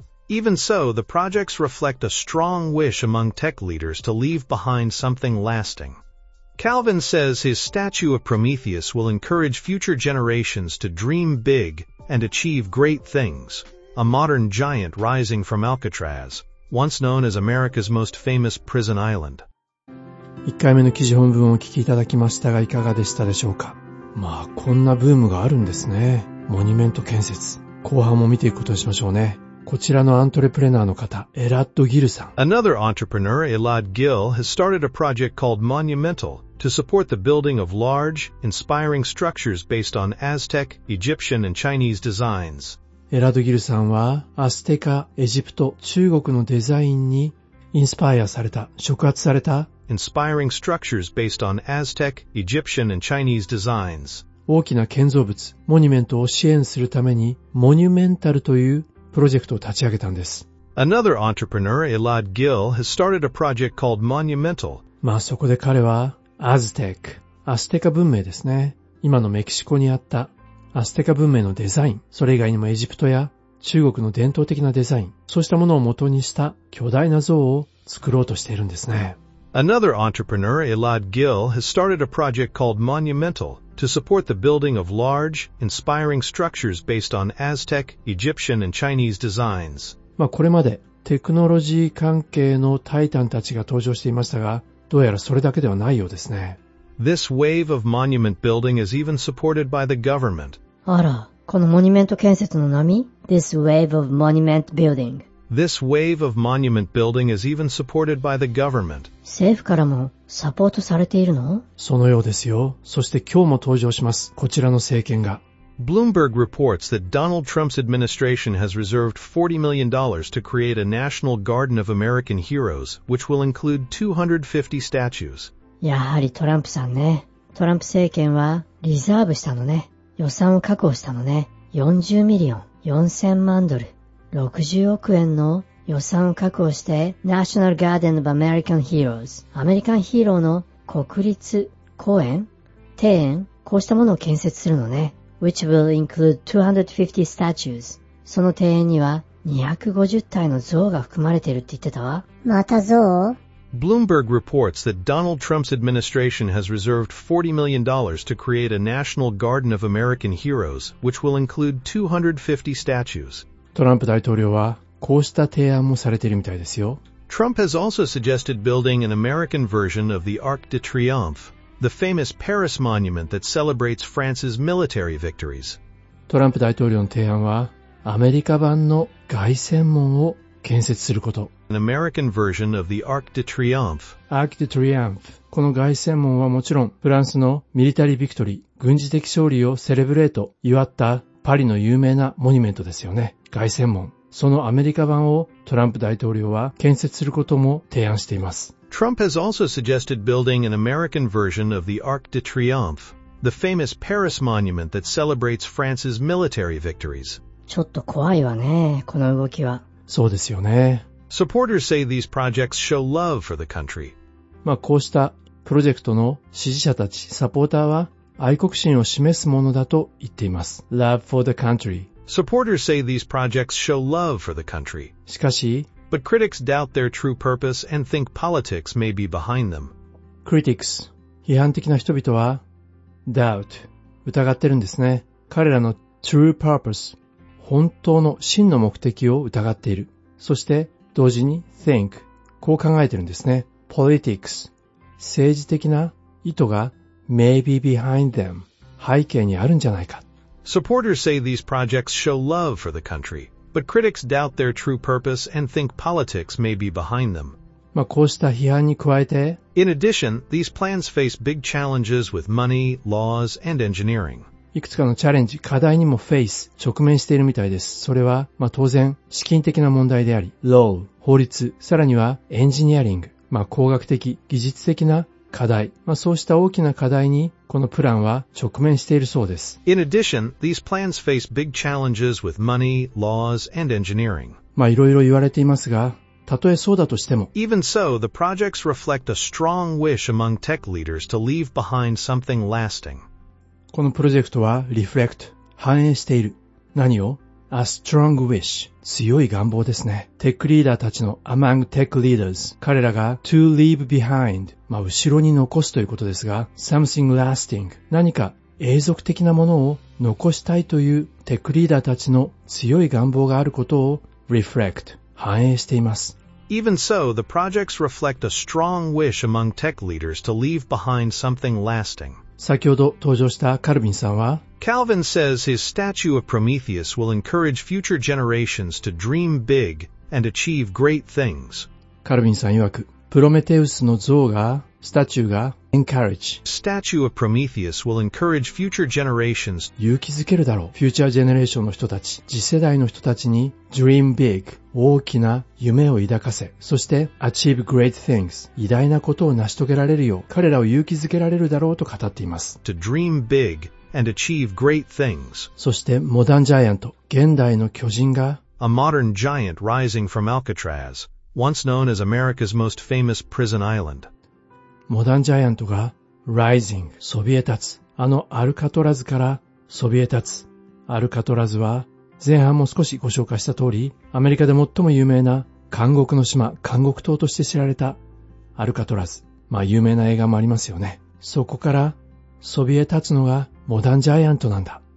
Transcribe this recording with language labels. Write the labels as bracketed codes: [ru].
[en] Even so, the projects reflect a strong wish among tech leaders to leave behind something lasting. Calvin says his statue of Prometheus will encourage future generations to dream big and achieve great things, a modern giant rising from Alcatraz, once known as America's most famous prison island. [ja] 1回目の記事本文をお聞きいただきましたが、いかがでしたでしょうか? まあこんなブームがあるんですね。モニュメント建設。後半も見ていくことにしましょうね。こちらのアントレプレナーの方、エラッド・ギルさん。 [en] Another entrepreneur, Elad Gil, has started a project called Monumental to support the building of large, inspiring structures based on Aztec, Egyptian, and Chinese designs. [ja] エラッド・ギルさんは、アステカ、エジプト、中国のデザインにインスパイアされた、触発された、 [en] Inspiring structures based on Aztec, Egyptian, and Chinese designs. [ja] 大きな建造物、モニュメントを支援するために、モニュメンタルというプロジェクトを立ち上げたんです。 [en] Another entrepreneur, Elad Gil, has started a project called Monumental. [ja] まあそこで彼は、Aztec、アステカ文明ですね。今のメキシコにあったアステカ文明のデザイン、それ以外にもエジプトや中国の伝統的なデザイン、そうしたものを元にした巨大な像を作ろうとしているんですね。 [en] Another entrepreneur, Elad Gil, has started a project called Monumental to support the building of large, inspiring structures based on Aztec, Egyptian, and Chinese designs. [ja] まあこれまでテクノロジー関係のタイタンたちが登場していましたが、どうやらそれだけではないようですね。 [en] This wave of monument building is even supported by the government. [ja] あら、このモニュメント建設の波? [en] This wave of monument building. This wave of monument building is even supported by the government. [ja] 政府からもサポートされているの? そのようですよ。そして今日も登場します。こちらの政権が。 [en] Bloomberg reports that Donald Trump's administration has reserved $40 million to create a National Garden of American Heroes, which will include 250 statues. [ja] やはりトランプさんね。トランプ政権はリザーブしたのね。予算を確保したのね。40ミリオン、4000万ドル。 60億円の予算を確保して、National Garden of American Heroes、アメリカンヒーローの国立公園、庭園、こうしたものを建設するのね。 [en] Which will include 250 statues。 [ja] その庭園には250体の像が含まれているって言ってたわ。また像？ [en] Bloomberg reports that Donald Trump's administration has reserved $40 million to create a National Garden of American Heroes, which will include 250 statues. [ja] トランプ大統領はこうした提案もされているみたいですよ。 [en] Trump has also suggested building an American version of the Arc de Triomphe, the famous Paris monument that celebrates France's military victories. [ja] トランプ大統領の提案はアメリカ版の凱旋門を建設すること。 [en] An American version of the Arc de Triomphe. Arc de Triomphe. [ja] この凱旋門はもちろんフランスのミリタリービクトリー、軍事的勝利をセレブレート、祝ったパリの有名なモニュメントですよね。凱旋門。そのアメリカ版をトランプ大統領は建設することも提案しています。 [en] Trump has also suggested building an American version of the Arc de Triomphe, the famous Paris monument that celebrates France's military victories. [ja] ちょっと怖いわね、この動きは。そうですよね。 [en] Supporters say these projects show love for the country. [ja] まあこうしたプロジェクトの支持者たち、サポーターは愛国心を示すものだと言っています。 [en] Love for the country. Supporters say these projects show love for the country. [ja] しかし、 [en] But critics doubt their true purpose and think politics may be behind them. [ja] Critics, 批判的な人々は doubt, 疑ってるんですね。彼らの [en] true purpose, [ja] 本当の真の目的を疑っている。そして同時に think, こう考えてるんですね。 Politics, 政治的な意図が [en] may be behind them, [ja] 背景にあるんじゃないか。 [en] Supporters say these projects show love for the country, but critics doubt their true purpose and think politics may be behind them. [ja] まあこうした批判に加えて、 [en] In addition, these plans face big challenges with money, laws, and engineering. [ja] いくつかのチャレンジ、課題にもフェイス、直面しているみたいです。それは、まあ当然、資金的な問題であり、law、法律、さらにはエンジニアリング、まあ工学的、技術的な課題。まあそうした大きな課題にこのプランは直面しているそうです。 [en] In addition, these plans face big challenges with money, laws, and engineering. [ja] まあいろいろ言われていますが、たとえそうだとしても。 [en] Even so, the projects reflect a strong wish among tech leaders to leave behind something lasting. [ja] このプロジェクトは reflect、反映している。何を ? [en] A strong wish。 [ja] 強い願望ですね。 Tech leader たちの [en] among tech leaders。 [ja] 彼らが [en] to leave behind。 [ja] まあ、後ろに残すということですが、 [en] something lasting [ja] 何か永続的なものを残したいというテックリーダーたちの強い願望があることを reflect 反映しています。 [en] Even so, the projects reflect a strong wish among tech leaders to leave behind something lasting. [ja] 先ほど登場したカルビンさんは、 [en] Calvin says his statue of Prometheus will encourage future generations to dream big and achieve great things. [ja] カルビンさん曰く、プロメテウスの像が、スタチューが、encourage。 [en] Statue of Prometheus will encourage future generations. [ja] 勇気づけるだろう。 [en] Future generation [ja] の人たち、次世代の人たちに、dream big。大きな夢を抱かせ。 [en] そして、achieve great things。 [ja] 偉大なことを成し遂げられるよう、彼らを勇気づけられるだろうと語っています。 [en] To dream big and achieve great things. [ja] そして、モダンジャイアント、現代の巨人が、 [en] A modern giant rising from Alcatraz. Once known as America's most famous prison island. [ja] モダンジャイアントが rising, そびえ立つ。あのアルカトラズからそびえ立つ。アルカトラズは前半も少しご紹介した通り、アメリカで最も有名な監獄の島、監獄島として知られたアルカトラズ。まあ有名な映画もありますよね。そこからそびえ立つのがモダンジャイアントなんだ。